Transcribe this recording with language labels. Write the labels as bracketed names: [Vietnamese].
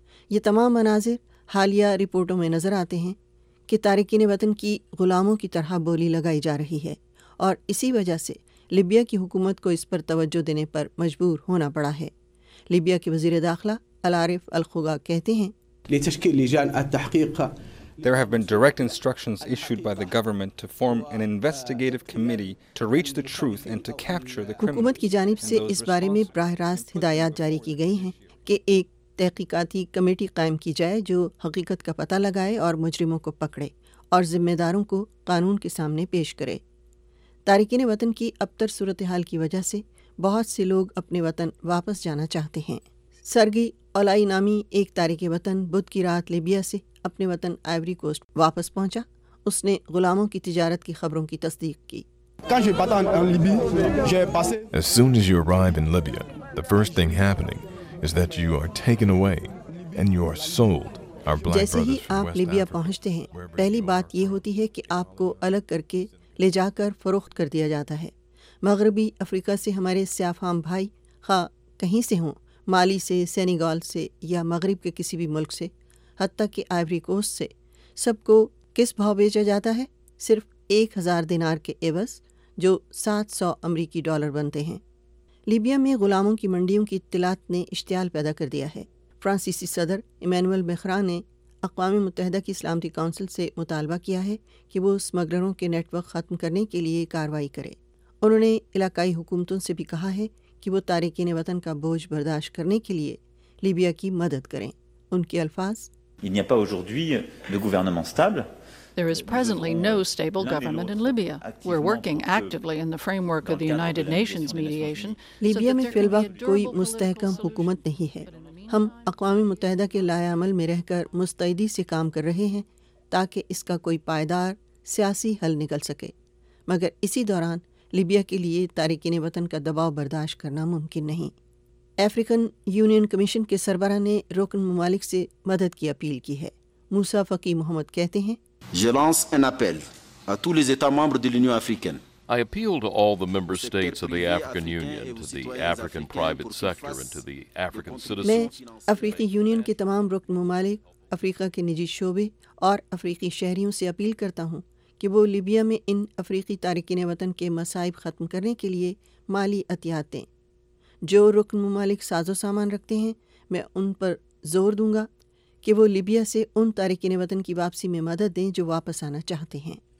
[Urdu] یہ تمام مناظر حالیہ رپورٹوں میں نظر آتے ہیں کہ تارکین وطن کی غلاموں کی طرح بولی لگائی جا رہی ہے، اور اسی وجہ سے لیبیا کی حکومت کو اس پر توجہ دینے پر مجبور ہونا پڑا ہے. لیبیا کے وزیر داخلہ العارف الخوغا کہتے ہیں، [English] There have been direct instructions issued by the government to form an investigative committee to reach the truth and to capture the criminal. [Urdu] حکومت کی جانب سے اس بارے میں براہ راست ہدایات جاری کی گئی ہیں کہ ایک تحقیقاتی کمیٹی قائم کی جائے جو حقیقت کا پتہ لگائے اور مجرموں کو پکڑے اور ذمہ داروں کو قانون کے سامنے پیش کرے. تارکین وطن کی ابتر صورتحال کی وجہ سے بہت سے لوگ اپنے وطن واپس جانا چاہتے ہیں. سرگی اولائی نامی ایک تارکین وطن بدھ کی رات لیبیا سے اپنے وطن آئیوری کوسٹ واپس پہنچا. اس نے غلاموں کی تجارت کی خبروں کی تصدیق کی. [English] As soon as you arrive in Libya, the first thing happening is that you are taken away and you are sold. Our black [Urdu] جیسے ہی آپ لیبیا پہنچتے ہیں پہلی بات یہ ہوتی ہے کہ آپ کو الگ کر کے لے جا کر فروخت کر دیا جاتا ہے. مغربی افریقہ سے ہمارے سیاہ فام بھائی خواہ کہیں سے ہوں، مالی سے، سینیگال سے یا مغرب کے کسی بھی ملک سے، حتیٰ کہ آئیوری کوسٹ سے، سب کو کس بھاؤ بیچا جاتا ہے؟ صرف 1,000 دینار کے عوض، جو 700 امریکی ڈالر بنتے ہیں. لیبیا میں غلاموں کی منڈیوں کی اطلاعات نے اشتعال پیدا کر دیا ہے. فرانسیسی صدر ایمینول میکران نے اقوام متحدہ کی سلامتی کونسل سے مطالبہ کیا ہے کہ وہ اسمگلروں کے نیٹ ورک ختم کرنے کے لیے کارروائی کرے. انہوں نے علاقائی حکومتوں سے بھی کہا ہے کہ وہ تارکین وطن کا بوجھ برداشت کرنے کے لیے لیبیا کی مدد کریں. ان کے الفاظ، [French] Il n'y a pas aujourd'hui de gouvernement stable. [English] There is presently no stable government in Libya. We're working actively in the framework of the United Nations mediation. [Urdu] Libya میں فی الوقت کوئی مستحکم حکومت نہیں ہے. ہم اقوام متحدہ کے لائے عمل میں رہ کر مستعدی سے کام کر رہے ہیں تاکہ اس کا کوئی پائیدار سیاسی حل نکل سکے، مگر اسی دوران لیبیا کے لیے تارکین وطن کا دباؤ برداشت کرنا ممکن نہیں. افریقن یونین کمیشن کے سربراہ نے رکن ممالک سے مدد کی اپیل کی ہے. موسا فقی محمد کہتے ہیں، [French] Je lance un appel à tous les états membres de l'Union africaine. [English] I appeal to all the member states of the African Union, to the African private sector and to the African citizens. [Urdu] میں افریقی union کے تمام رکن ممالک، افریقہ کے نجی شعبے اور افریقی شہریوں سے اپیل کرتا ہوں کہ وہ لیبیا میں ان افریقی تارکین وطن کے مصائب ختم کرنے کے لیے مالی عطیات دیں. جو رکن ممالک ساز و سامان رکھتے ہیں، میں ان پر زور دوں گا کہ وہ لیبیا سے ان تارکین وطن کی واپسی میں مدد دیں جو واپس آنا چاہتے ہیں.